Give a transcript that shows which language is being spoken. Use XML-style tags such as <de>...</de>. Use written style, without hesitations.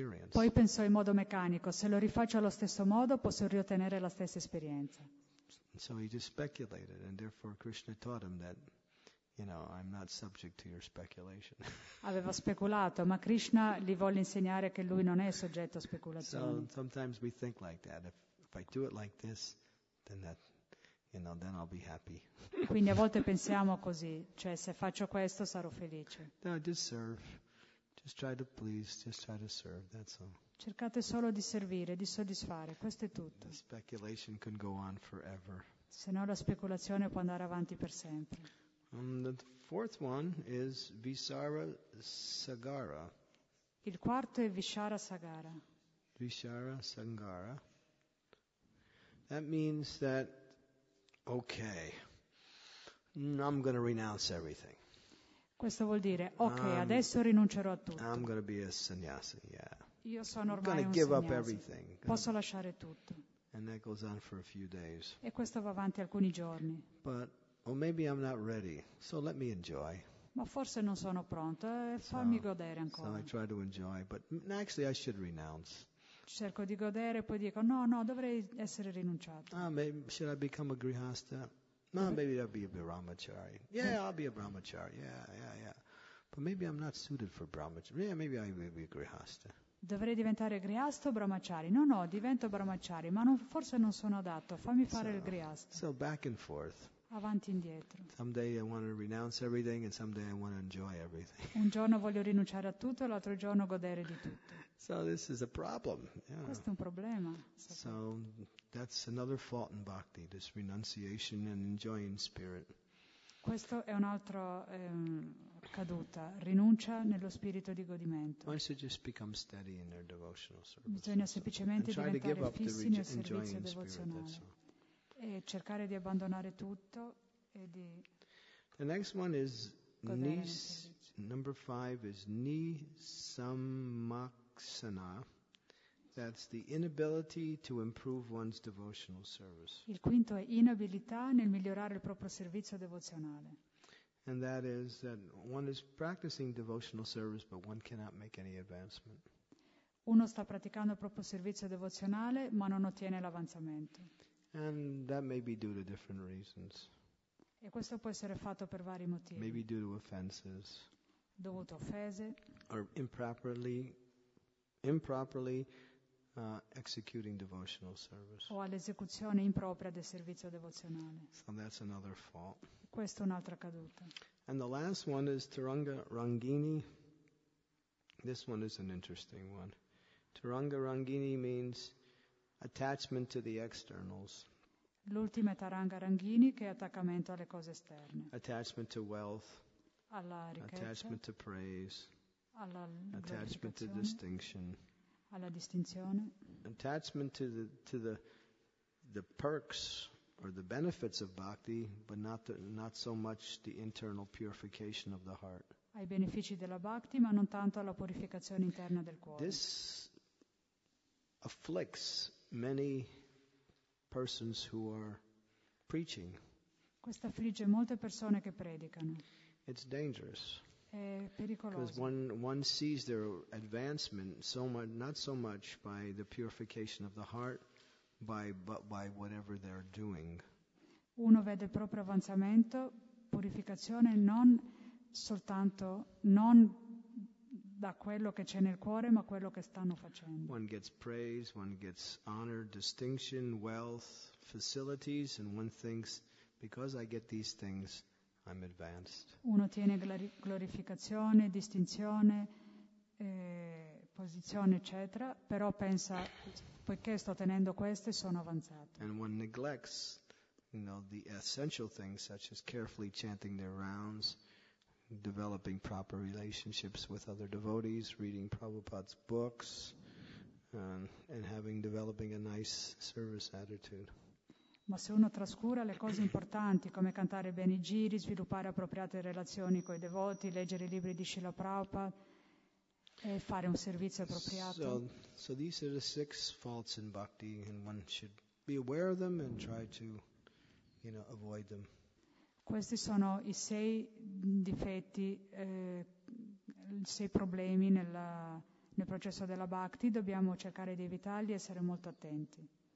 <it>poi pensò in modo meccanico, se lo rifaccio allo stesso modo posso riottenere la stessa esperienza.</it> <en>So he just speculated and therefore Krishna taught him that, you know, I'm not subject to your speculation.</en> <it>Aveva speculato, ma Krishna gli volle insegnare che lui non è soggetto a speculazioni.</it> <en>So sometimes we think like that. If I do it like this, then that, you know, then I'll be happy.</en> <it>Quindi a volte pensiamo così, cioè se faccio questo sarò felice.</it> <en>No, just serve, just try to please, just try to serve. That's all.</en> <it>Cercate solo di servire, di soddisfare. Questo è tutto.</it> <en>The speculation can go on forever.</en> <it>Se no, la speculazione può andare avanti per sempre.</it> <en>The fourth one is Visara Sagara.</en> <it>Il quarto è Visara Sagara. Visara Sagara.</it> <en>That means that, okay, I'm going to renounce everything.</en> <it>Questo vuol dire, okay, adesso rinuncerò a tutto.</it> <en>I'm going to be a sannyasi, yeah.</en> <it>Io sono ormai</it> <en>I'm going to give up everything.</en> <it>Posso lasciare tutto.</it> <en>And that goes on for a few days.</en> <it>E questo va avanti alcuni giorni.</it> <en>But, or maybe I'm not ready, so let me enjoy.</en> <it>Ma forse non sono pronto, fammi godere ancora.</it> <en>So I try to enjoy, but actually I should renounce.</en> <it>Cerco di godere e poi dico no, dovrei essere rinunciato.</it> <en>Ah, maybe should I become a grihasta? No, maybe I'll be a brahmachari. Yeah, I'll be a brahmachari. Yeah. But maybe I'm not suited for brahmachari. Yeah, maybe I will be a grihasta.</en> <it>Dovrei diventare grihasta o brahmachari? No, divento brahmachari, ma non, forse non sono adatto. Fammi fare il grihasta.</it> <en>So back and forth.</en> <it>Avanti e indietro.</it> <en>Someday I want to renounce everything and someday I want to enjoy everything.</en> <it>Un giorno voglio rinunciare a tutto e l'altro giorno godere di tutto.</it> <en>So this is a problem. Yeah.</en> <it>Questo è un problema.</it> <en>So that's another fault in bhakti, this renunciation and enjoying spirit.</en> <it>Questo è un altro caduta, rinuncia nello spirito di godimento.</it> <en>One should just become steady in their devotional service.</en> <it>Bisogna semplicemente diventare fissi nel servizio devozionale. E cercare di abbandonare tutto e di.</it> <en>The next one is number five is nisamaksana. That's the inability to improve one's devotional service.</en> <it>Il quinto è inabilità nel migliorare il proprio servizio devozionale.</it> <en>And that is that one is practicing devotional service, but one cannot make any advancement.</en> <it>Uno sta praticando il proprio servizio devozionale, ma non ottiene l'avanzamento.</it> <en>And that may be due to different reasons.</en> <it>E questo può essere fatto per vari motivi.</it> <en>Maybe due to offenses.</en> <it>Dovuto offese.</it> <en>Or improperly executing devotional service.</en> <it>O all'esecuzione impropria del servizio devozionale.</it> <en>So that's another fault.</en> <it>Questa è un'altra caduta.</it> <en>And the last one is Taranga Rangini. This one is an interesting one. Taranga Rangini means attachment to the externals.</en> <it>L'ultima è Taranga Rangini, che è attaccamento alle cose esterne.</it> <en>Attachment to wealth.</en> <it>Alla ricchezza.</it> <en>Attachment to praise.</en> <it>Alla</it> <en>attachment to distinction.</en> <it>alla distinzione.</it> <en>Attachment to the perks or the benefits of bhakti, but not so much the internal purification of the heart.</en> <it>Ai benefici della bhakti, ma non tanto alla purificazione interna del cuore.</it> <en>This afflicts many persons who are preaching.</en> <it>Questo affligge molte persone che predicano.</it> <en>It's dangerous.</en> <it>È pericoloso.</it> <en>Because one sees their advancement so much, not so much by the purification of the heart, but by whatever they're doing.</en> <it>Uno vede il proprio avanzamento, purificazione, non soltanto non da quello che c'è nel cuore, ma quello che stanno facendo.</it> <en>One gets praise, one gets honor, distinction, wealth, facilities, and one thinks, because I get these things, I'm advanced.</en> <it>Uno tiene glorificazione, distinzione, posizione, eccetera, però pensa, poiché sto tenendo queste, sono avanzato.</it> <en>And one neglects, the essential things, such as carefully chanting their rounds, developing proper relationships with other devotees, reading Prabhupada's books, and developing a nice service attitude.</en> <it>Ma se uno trascura le cose importanti come cantare bene i giri, sviluppare appropriate relazioni con i devoti, leggere i libri di Srila Prabhupada e fare un servizio appropriato.</it> <en>So these are the six faults in bhakti, and one should be aware of them and try to, avoid them.</en> <it>Questi sono i sei difetti, sei problemi nel processo della bhakti. Dobbiamo cercare di evitarli e essere molto attenti.</it>